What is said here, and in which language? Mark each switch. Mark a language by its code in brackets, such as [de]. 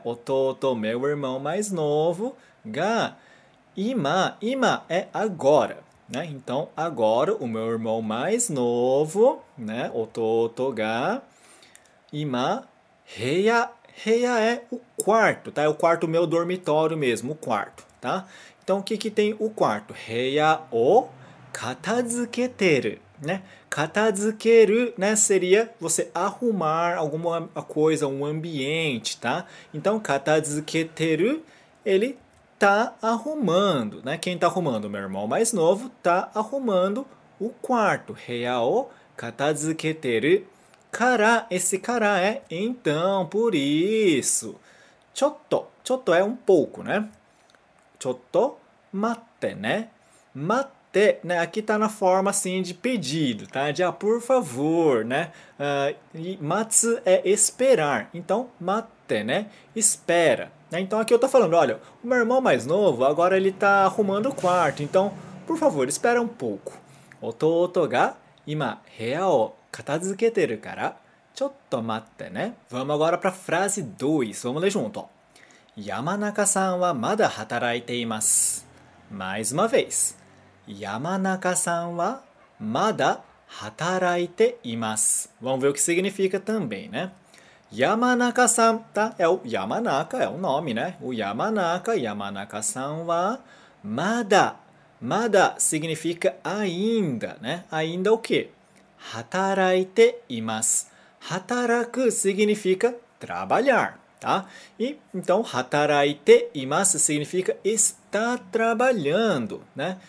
[ja] 弟、 [pt] meu irmão mais novo [ja] が今、今 [pt] é agora, né? Então, agora o meu irmão mais novo, né? [ja] 弟が今、部屋 [pt] é o quarto, tá? É o quarto meu dormitório mesmo, o quarto, tá? Então, o que que tem o quarto? [ja] 部屋を片付けてる, né? 片付ける, né? [pt] Seria você arrumar alguma coisa, um ambiente, tá? Então, [ja] 片付けてる, [pt] ele tá arrumando, né? Quem tá arrumando? Meu irmão mais novo tá arrumando o quarto. [ja] 部屋を 片付けてる. [pt] Kara, esse kara é então, por isso. Chotto, chotto é um pouco, né? Chotto, matte, né? Matte, né? Aqui tá na forma assim de pedido, tá? De ah, por favor, né? E matsu é esperar. Então, matte, né? Espera. Então aqui eu tô falando, olha, o meu irmão mais novo agora ele tá arrumando o quarto. Então, por favor, espera um pouco. [ja] Ototo ga ima heya o 片付けてるから、ちょっと待ってね。 [pt] Vamos agora para frase 2. Vamos ler junto. [ja] 山中さんはまだ働いています。 [pt] Mais uma vez. [ja] 山中さんはまだ働いています。 [pt] Vamos ver o que significa também, né? 山中さん、tá? É o 山中、é o nome, né? [ja] O 山中、山中さんはまだ。 [pt] まだ significa ainda, né? Ainda o quê? [ja] 働いています。 [pt] 働く significa trabalhar, tá? E então, [ja] 働いています [pt] significa está trabalhando, né?